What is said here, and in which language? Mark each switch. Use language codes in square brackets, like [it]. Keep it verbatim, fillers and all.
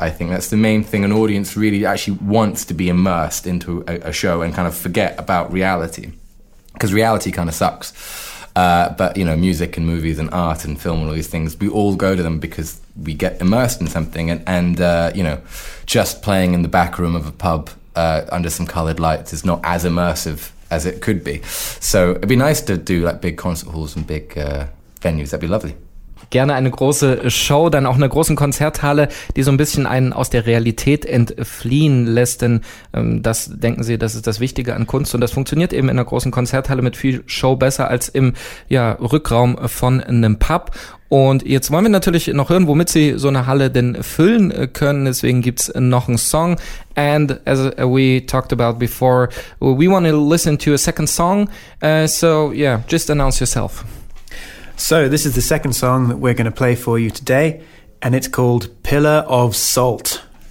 [en] I think that's the main thing. An audience really actually wants to be immersed into a, a show and kind of forget about reality, because reality kind of sucks, uh but you know, music and movies and art and film and all these things, we all go to them because we get immersed in something. And and uh you know, just playing in the back room of a pub uh under some colored lights is not as immersive as it could be. So it'd be nice to do like big concert halls and big uh venues, that'd be lovely. [de] gerne eine große Show, dann auch einer großen Konzerthalle, die so ein bisschen einen aus der Realität entfliehen lässt, denn ähm, das, denken Sie, das ist das Wichtige an Kunst und das funktioniert eben in einer großen Konzerthalle mit viel Show besser als im ja, Rückraum von einem Pub. Und jetzt wollen wir natürlich noch hören, womit Sie so eine Halle denn füllen können. Deswegen gibt's noch einen Song. [en] And as we talked about before, we want to listen to a second song. Uh, so yeah, just announce yourself. So this is the second song that we're going to play for you today, and it's called Pillar of Salt.